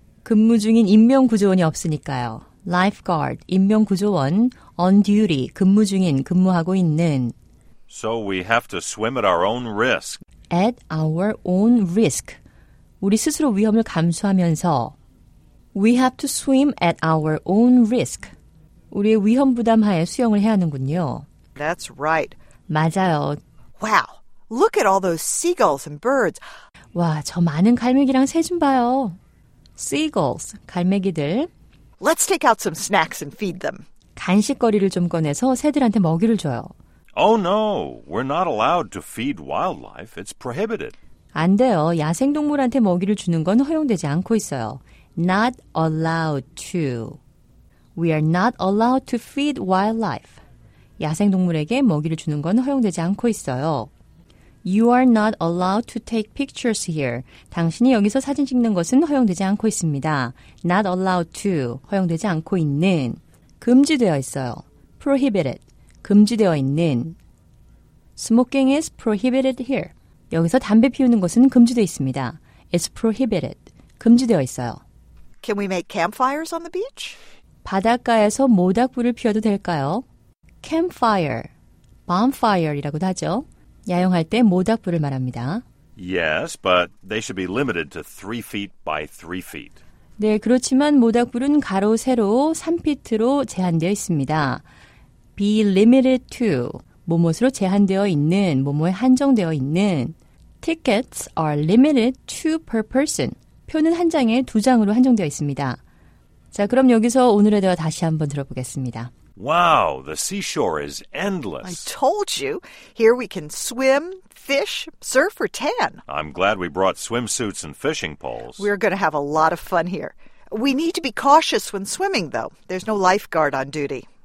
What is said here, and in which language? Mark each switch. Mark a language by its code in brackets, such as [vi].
[ko] 근무 중인 인명구조원이 없으니까요. Lifeguard, 인명구조원, on duty, 근무 중인, 근무하고 있는. [en] So we have to swim at our own risk. At our own risk. [ko] 우리 스스로 위험을 감수하면서. [en] We have to swim at our own risk. [ko] 우리의 위험 부담하에 수영을 해야 하는군요. [en] That's right. [ko] 맞아요. [en] Wow, look at all those seagulls and birds. [ko] 와, 저 많은 갈매기랑 새 좀 봐요. Seagulls, 갈매기들. [en] Let's take out some snacks and feed them. [ko] 간식거리를 좀 꺼내서 새들한테 먹이를 줘요. [en] Oh no, we're not allowed to feed wildlife. It's prohibited. [ko] 안 돼요. 야생동물한테 먹이를 주는 건 허용되지 않고 있어요. [en] Not allowed to. We are not allowed to feed wildlife. [ko] 야생동물에게 먹이를 주는 건 허용되지 않고 있어요. [en] You are not allowed to take pictures here. [ko] 당신이 여기서 사진 찍는 것은 허용되지 않고 있습니다. [en] Not allowed to. [ko] 허용되지 않고 있는. 금지되어 있어요. Prohibited. 금지되어 있는. [en] Smoking is prohibited here. [ko] 여기서 담배 피우는 것은 금지되어 있습니다. [en] It's prohibited. [ko] 금지되어 있어요. [en] Can we make campfires on the beach? [ko] 바닷가에서 모닥불을 피워도 될까요? Campfire. Bonfire이라고도 하죠. 야영할 때 모닥불을 말합니다. [en] Yes, but they should be limited to 3 feet by 3 feet. [ko] 네, 그렇지만 모닥불은 가로 세로 3피트로 제한되어 있습니다. [en] Be limited to [ko] 뭐뭐로 제한되어 있는, 뭐뭐에 한정되어 있는. [en] Tickets are limited to per person. [ko] 표는 한 장에 두 장으로 한정되어 있습니다. 자, 그럼 여기서 오늘의 대화 다시 한번 들어보겠습니다. [en] Wow, the seashore is endless. I told you. Here we can swim, fish, surf, or tan. I'm glad we brought swimsuits and fishing poles. We're going to have a lot of fun here. We need to be cautious when swimming, though. There's no lifeguard on duty.